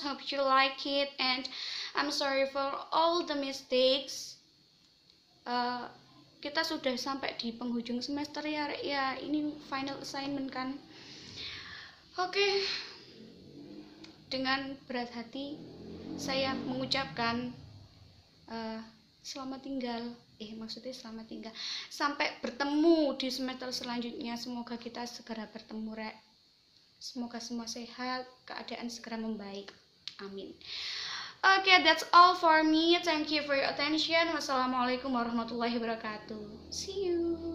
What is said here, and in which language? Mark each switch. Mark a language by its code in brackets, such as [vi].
[en] Hope you like it and I'm sorry for all the mistakes. [id] Kita sudah sampai di penghujung semester ya, ya ini final assignment kan. Okay. Dengan berat hati saya mengucapkan selamat tinggal. Maksudnya selamat tinggal. Sampai bertemu di semester selanjutnya. Semoga kita segera bertemu, Rek. Semoga semua sehat, keadaan segera membaik. Amin. [en] Okay, that's all for me. Thank you for your attention. [ar] Wassalamualaikum warahmatullahi wabarakatuh. [en] See you.